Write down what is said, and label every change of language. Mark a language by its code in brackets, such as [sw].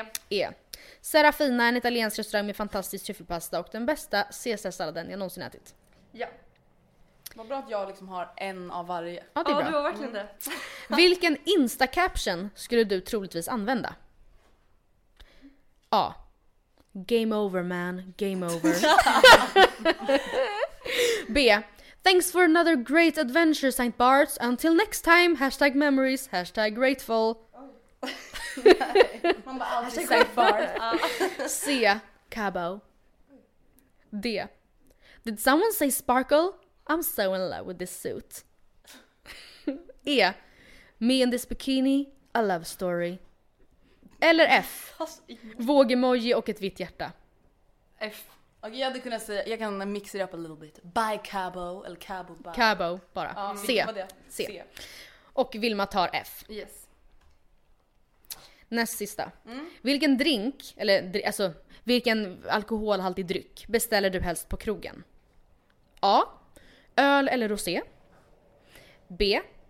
[sv] E. Serafina, en italiensk restaurang med fantastisk tryffelpasta och den bästa caesarsalladen jag någonsin ätit. Ja. Vad bra att jag liksom har en av varje. Ja, det är bra. Du har verkligen det. Vilken Insta-caption skulle du troligtvis använda? A. [en] Game over, man. Game over. B. Thanks for another great adventure, St. Barts. Until next time, hashtag memories, hashtag grateful. [sv] Oh. Man bara alltid St. Barts. [en] See ya, Cabo. Dear. Did someone say sparkle? I'm so in love with this suit. Yeah. Me in this bikini, a love story. [sv] Eller F. Vågemoji och ett vitt hjärta. F. Okej, okay, jag hade kunnat säga, jag kan mixa det upp [en] a little bit. Bye Cabo, eller Cabo bye. [sv] Cabo, bara. C. C. C. Och Vilma tar F. [en] Yes. [sv] Näst sista. Mm. Vilken drink, eller alltså, vilken alkoholhaltig dryck beställer du helst på krogen? A. Öl eller rosé. B.